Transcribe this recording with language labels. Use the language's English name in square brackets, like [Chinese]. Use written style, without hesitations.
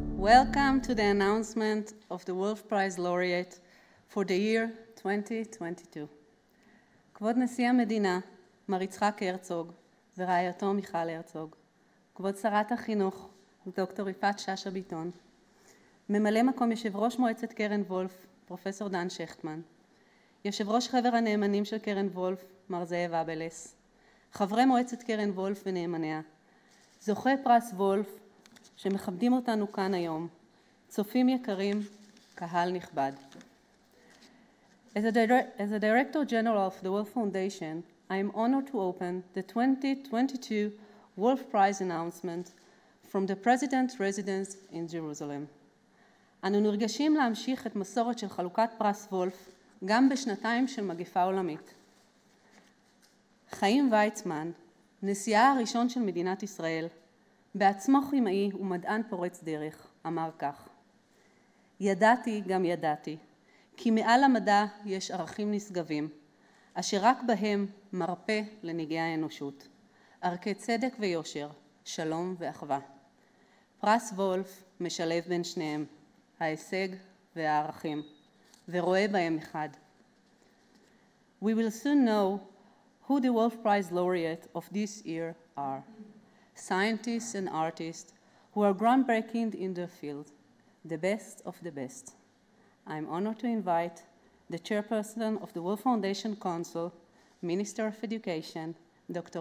[English] Welcome to the announcement of the Wolf Prize Laureate for the year 2022. [Hebrew] כבוד נשיא המדינה, מר יצחק הרצוג ורעייתו מיכל הרצוג, כבוד שרת החינוך, דוקטור יפעת שאשא ביטון, ממלא מקום יושב ראש מועצת קרן וולף, פרופסור דן שכטמן, יושב ראש חבר הנאמנים של קרן וולף, מר זאב אבלס, חברי מועצת קרן וולף ונאמניה, זוכה פרס וולף, שמכבדים אותנו כאן היום, צופים יקרים, קהל נכבד. [English] As a Director General of the Wolf Foundation, I am honored to open the 2022 Wolf Prize announcement from the President's residence in Jerusalem. [Hebrew] אנו נרגשים להמשיך את מסורת של חלוקת פרס וולף גם בשנתיים של מגפה עולמית. חיים ויצמן, נשיאה הראשון של מדינת ישראל, בעצמו חימאי ומדען פורץ דרך, אמר כך. ידעתי גם ידעתי, כי מעל המדע יש ערכים נשגבים, אשר רק בהם מרפא לנגעי האנושות. ערכי צדק ויושר, שלום ואחווה. פרס וולף משלב בין שניהם, ההישג והערכים, ורואה בהם אחד. [English] We will soon know who the Wolf Prize laureate of this year are. Scientists and artists who are groundbreaking in their field, the best of the best. I'm honored to invite the chairperson of the Wolf Foundation Council, Minister of Education, Dr.